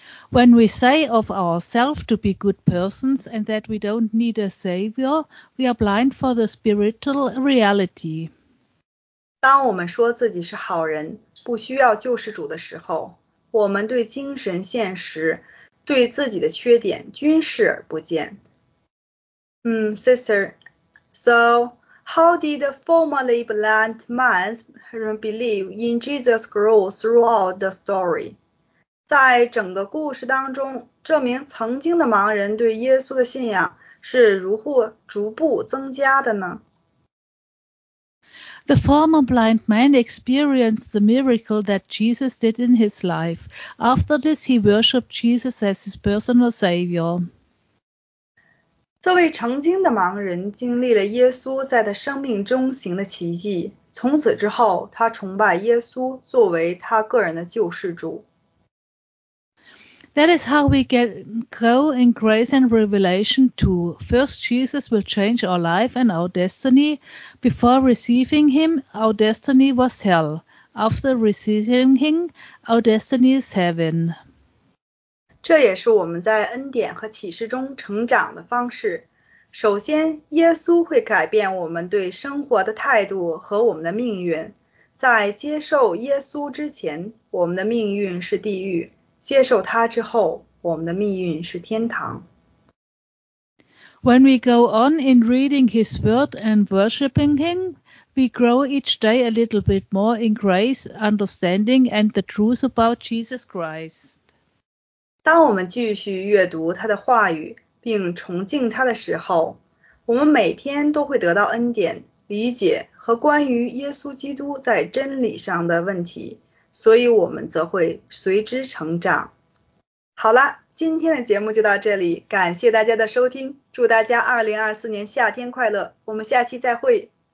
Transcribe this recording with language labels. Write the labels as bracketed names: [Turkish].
[English] When we say of ourselves to be good persons and that we don't need a savior, we are blind for the spiritual reality. [Chinese] 当我们说自己是好人，不需要救世主的时候，我们对精神现实，对自己的缺点均视而不见。 [English] Sister, so... How did the formerly blind man's belief in Jesus grow throughout the story? [Chinese] 在整个故事当中，这名曾经的盲人对耶稣的信仰是如何逐步增加的呢？ [English] The former blind man experienced the miracle that Jesus did in his life. After this, he worshipped Jesus as his personal savior. [Chinese] 这位曾经的盲人经历了耶稣在他生命中行的奇迹，从此之后，他崇拜耶稣作为他个人的救世主。 [English] That is how we get grow in grace and revelation too. First, Jesus will change our life and our destiny. Before receiving him, our destiny was hell. After receiving him, our destiny is heaven. [Chinese] 这也是我们在恩典和启示中成长的方式。首先，耶稣会改变我们对生活的态度和我们的命运。在接受耶稣之前，我们的命运是地狱。接受他之后，我们的命运是天堂。 [English] When we go on in reading his word and worshiping him, we grow each day a little bit more in grace, understanding, and the truth about Jesus Christ. [Chinese] 当我们继续阅读他的话语，并崇敬他的时候，我们每天都会得到恩典、理解和关于耶稣基督在真理上的问题。所以我们则会随之成长。好了，今天的节目就到这里，感谢大家的收听，祝大家2024年夏天快乐，我们下期再会。